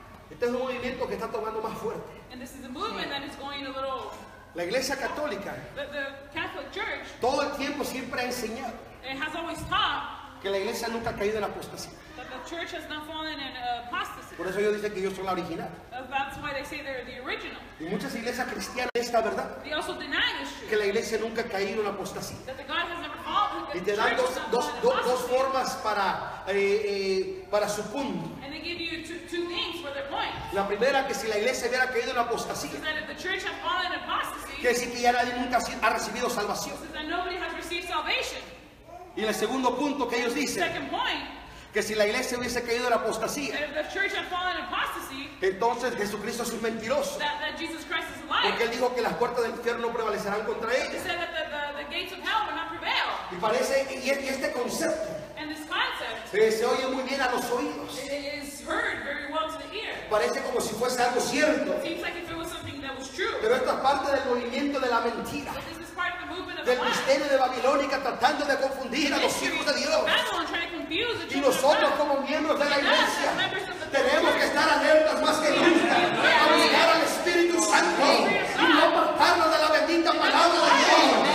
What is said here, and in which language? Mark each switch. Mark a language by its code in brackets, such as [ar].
[es] Este es un movimiento que está tomando más fuerte. [en] And this is a movement that is going a little. [es] La iglesia católica. [en] The Catholic Church. [es] Todo el tiempo siempre ha enseñado. [en] It has always taught. [es] Que la iglesia nunca ha caído en apostasía. [en] That the church has not fallen in apostasy. [es] Por eso ellos dicen que ellos son la original. [en] That's why they say they're the original. [es] Y muchas iglesias cristianas esta verdad. [en] They also deny this truth. [es] Que la iglesia nunca ha caído en apostasía. [en] That the God has never fallen. [es] Y te dan dos formas para su punto. [en] And they give you two things for their point. [es] La primera, que si la iglesia hubiera caído en apostasía. [en] That if the church had fallen in apostasy. [es] Que si que ya nadie nunca ha recibido salvación. [en] That nobody has received salvation. [es] Y el segundo punto que ellos dicen. [en] Second point. [es] Que si la iglesia hubiese caído en apostasía. [en] If the church had fallen in apostasy. [es] Entonces Jesucristo es un mentiroso. [en] That Jesus Christ is a liar. [es] Porque él dijo que las puertas del infierno prevalecerán contra ella. [en] He said that the gates of hell will not prevail. [es] Y parece, y este concepto. [en] And this concept. [es] Se oye muy bien a los oídos. [en] It is heard very well to the ear. [es] Parece como si fuese algo cierto. [en] It seems like if it was something that was true. [es] Pero esta parte del movimiento de la mentira. [en] But this is part of the movement of [es] del misterio de Babilónica tratando de confundir [en] the [es] a los hijos de Dios. [en] Of Babylon, trying to confuse the [es] y nosotros como miembros de la iglesia. Tenemos que estar alertas más que nunca a mirar al Espíritu Santo y no apartarnos de la bendita palabra de Dios.